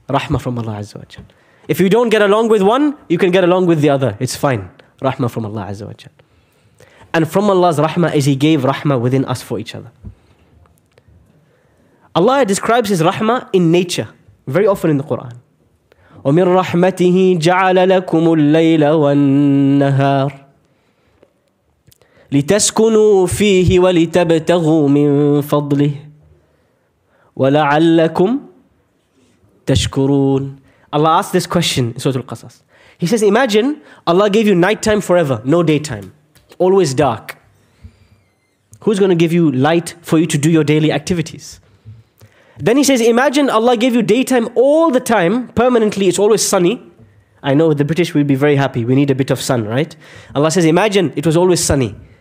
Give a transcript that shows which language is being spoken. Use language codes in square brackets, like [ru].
[en] Rahmah from Allah Azza wa Jal. If you don't get along with one, you can get along with the other. It's fine. Rahmah from Allah Azza wa Jal. And from Allah's rahmah is He gave rahmah within us for each other. Allah describes His rahmah in nature very often in the Quran. [ar] وَمِن رَحْمَتِهِ جَعَلَ لَكُمُ اللَّيْلَ وَالنَّهَارِ لِتَسْكُنُوا فِيهِ وَلِتَبْتَغُوا مِن فَضْلِهِ وَلَعَلَّكُمْ تَشْكُرُونَ [en] Allah asks this question in Surah Al-Qasas. He says, imagine Allah gave you nighttime forever, no daytime. Always dark. Who's going to give you light for you to do your daily activities? Then he says, imagine Allah gave you daytime all the time, permanently, it's always sunny. I know the British will be very happy. We need a bit of sun, right? Allah says, imagine it was always sunny.